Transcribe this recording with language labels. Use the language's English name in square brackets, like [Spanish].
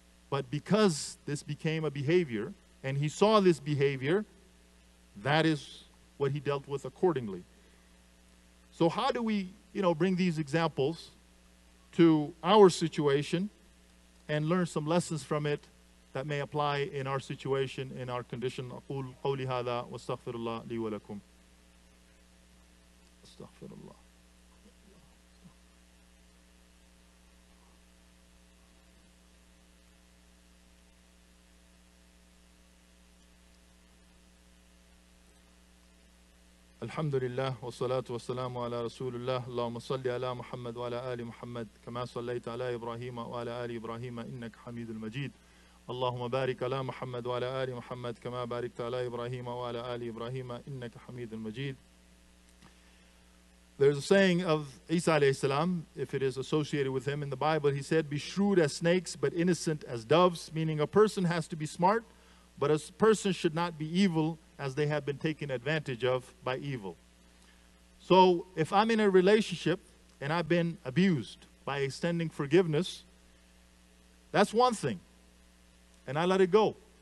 [English] But because this became a behavior, and he saw this behavior, that is what he dealt with accordingly. So how do we, you know, bring these examples to our situation and learn some lessons from it that may apply in our situation, in our condition? [Arabic] أقول قولي هذا واستغفر الله لي ولكم. استغفر الله. الحمد لله والصلاة والسلام على رسول الله اللهم صل على محمد وعلى آل محمد كما صليت على إبراهيم وعلى آل إبراهيم إنك حميد المجيد اللهم بارك على محمد وعلى آل محمد كما باركت على إبراهيم وعلى آل إبراهيم إنك حميد المجيد. [English] There's a saying of Isa alayhi salam, if it is associated with him in the Bible, he said, be shrewd as snakes but innocent as doves, meaning a person has to be smart, but a person should not be evil as they have been taken advantage of by evil. So if I'm in a relationship and I've been abused by extending forgiveness, that's one thing. And I let it go.